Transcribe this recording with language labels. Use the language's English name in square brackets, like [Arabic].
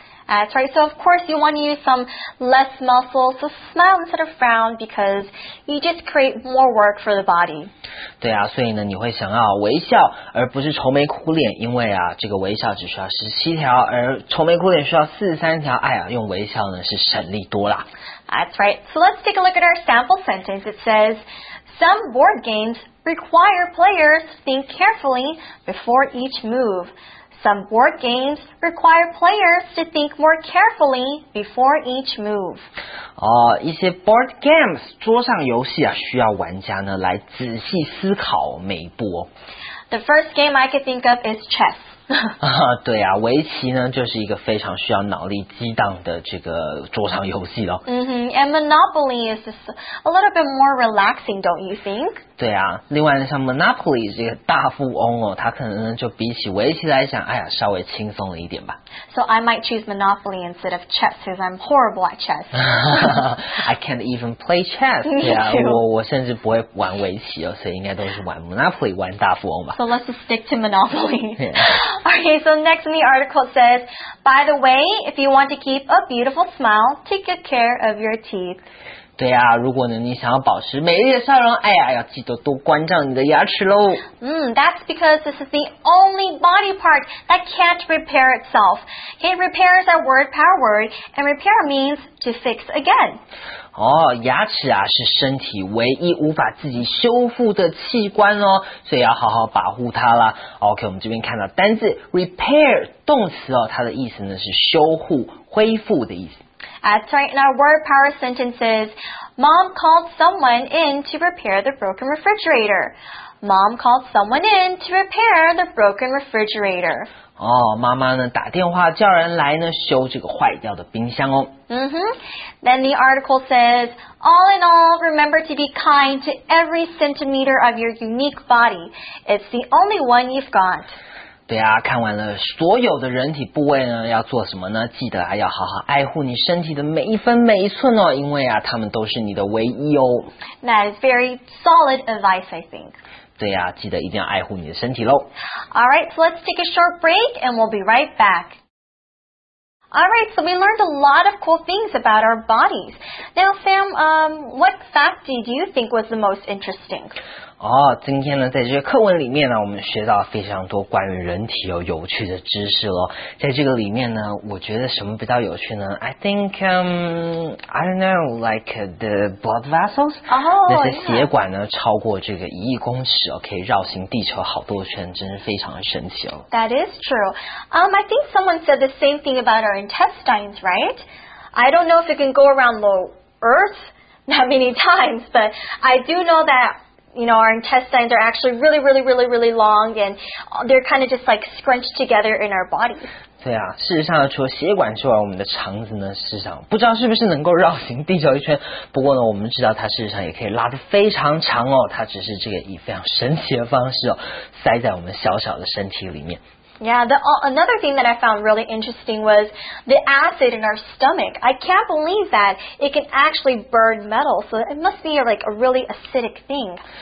[English] That's right, so of course you want to use some less muscles, so smile instead of frown because you just create more work for the body. [Chinese] 对啊，所以呢你会想要微笑而不是愁眉苦脸，因为啊这个微笑只需要17条而愁眉苦脸需要43条，哎呀用微笑呢是省力多啦。 [English] That's right, so let's take a look at our sample sentence. It says, some board gamesrequire players to think carefully before each move. Some board games require players to think more carefully before each move. [Chinese] 哦，一些 board games 桌上游戏啊，需要玩家呢来仔细思考每一步。 [English] The first game I can think of is chess. [Chinese] 啊，对啊，围棋呢就是一个非常需要脑力激荡的这个桌上游戏咯。 [English] And Monopoly is a little bit more relaxing, don't you think? [Chinese] 对啊，另外像 Monopoly 这个大富翁哦，他可能就比起围棋来讲，哎呀，稍微轻松了一点吧。 [English] So I might choose Monopoly instead of chess because I'm horrible at chess. I can't even play chess. Me [Chinese] 对啊，我甚至不会玩围棋哦，所以应该都是玩 Monopoly 玩大富翁吧。 [English] So let's stick to Monopoly. Yeah. Okay, so next in the article says, by the way, if you want to keep a beautiful smile, take good care of your teeth. [Chinese] 对啊，如果呢你想要保持美丽的笑容，哎呀，要记得多关照你的牙齿咯。 [English] That's because this is the only body part that can't repair itself. It repairs our word power word, and repair means to fix again. [Chinese] 哦，牙齿啊是身体唯一无法自己修复的器官哦，所以要好好保护它啦。 OK, 我们这边看到单字 repair 动词哦，它的意思呢是修护、恢复的意思。 [English] That's right, in our word power sentences, Mom called someone in to repair the broken refrigerator. Mom called someone in to repair the broken refrigerator. [Chinese] 哦，妈妈呢，打电话叫人来呢，修这个坏掉的冰箱哦。 [English] Then the article says, all in all, remember to be kind to every centimeter of your unique body. It's the only one you've got. [Chinese] 对啊，看完了所有的人体部位呢，要做什么呢？记得啊，要好好爱护你身体的每一分每一寸哦，因为啊，他们都是你的唯一哦。 [English] That is very solid advice, I think. [Chinese] 对啊，记得一定要爱护你的身体喽。 [English] All right, so let's take a short break and we'll be right back. All right, so we learned a lot of cool things about our bodies. Now, Sam, what fact did you think was the most interesting? [Chinese] 哦，今天呢，在这个课文里面呢，我们学到非常多关于人体有趣的知识咯。在这个里面呢，我觉得什么比较有趣呢？ [English] I think, I don't know, like the blood vessels. [Chinese] 那些血管呢，超过这个一亿公尺哦，可以绕行地球好多圈，真是非常的神奇哦。 [English] That is true. I think someone said the same thing about our intestines, right? I don't know if it can go around the earth that many times, but I do know that,You know, our intestines are actually really, really, really, really long, and they're kind of just like scrunched together in our bodies. [Chinese] 对啊，事实上，除了血管之外，我们的肠子呢，事实上不知道是不是能够绕行地球一圈。不过呢，我们知道它事实上也可以拉得非常长哦，它只是这个以非常神奇的方式哦，塞在我们小小的身体里面。 [English] Yeah, another thing that I found really interesting was the acid in our stomach. I can't believe that it can actually burn metal, so it must be like a really acidic thing.